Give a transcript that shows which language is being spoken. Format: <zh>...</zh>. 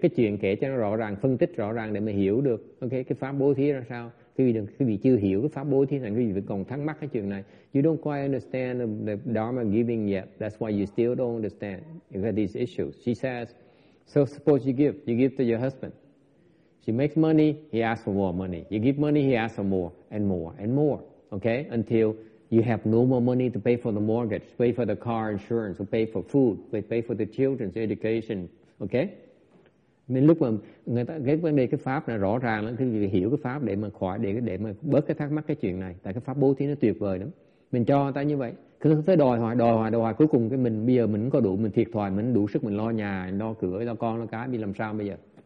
<vi>Cái chuyện kể cho nó rõ ràng, phân tích rõ ràng để mà hiểu được. Ok, cái pháp bố thí là sao? Quý vị chưa hiểu cái pháp bố thí này, quý vị vẫn còn thắc mắc cái chuyện này.</vi> <en>You don't quite understand the Dharma giving yet. That's why you still don't understand these issues. She says, so suppose you give to your husband. She makes money, he asks for more money. You give money, he asks for more and more and more. Okay? Until you have no more money to pay for the mortgage, pay for the car insurance, or pay for food, pay for the children's education. Okay?</en> <vi>Nên lúc mà người ta cái vấn đề cái pháp này rõ ràng lắm, cái người hiểu cái pháp để mà khỏi để mà bớt cái thắc mắc cái chuyện này. Tại cái pháp bố thí nó tuyệt vời lắm. Mình cho người ta như vậy, cứ phải đòi hoài, cuối cùng cái mình bây giờ mình có đủ, mình thiệt thòi, mình đủ sức mình lo nhà, lo cửa, lo con, lo cái, mình làm sao bây giờ?</vi>